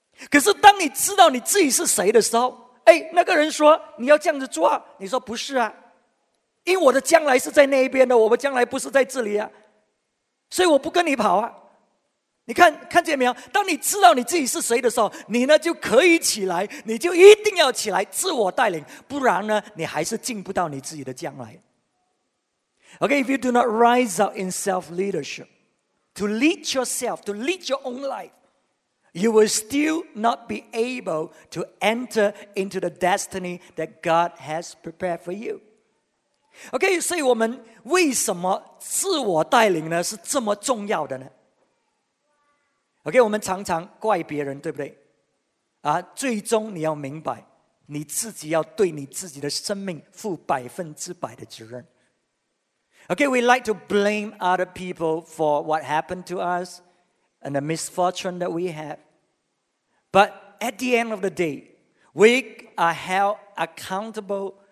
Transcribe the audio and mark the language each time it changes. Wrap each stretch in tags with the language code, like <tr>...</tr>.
<zh>可是当你知道你自己是谁的时候，哎，那个人说你要这样子做，你说不是啊，因为我的将来是在那一边的，我们将来不是在这里啊，所以我不跟你跑啊。你看看见没有，当你知道你自己是谁的时候，你呢就可以起来，你就一定要起来自我带领，不然呢你还是进不到你自己的将来。</zh> <en>OK, if you do not rise up in self-leadership to lead yourself, to lead your own life, you will still not be able to enter into the destiny that God has prepared for you.</en> <zh>OK, 所以我们为什么自我带领呢是这么重要的呢？ OK, 我们常常怪别人，对不对？啊，最终你要明白，你自己要对你自己的生命负百分之百的责任。</zh> <en>OK, we like to blame other people for what happened to us and the misfortune that we have, but at the end of the day, we are held accountable.</en>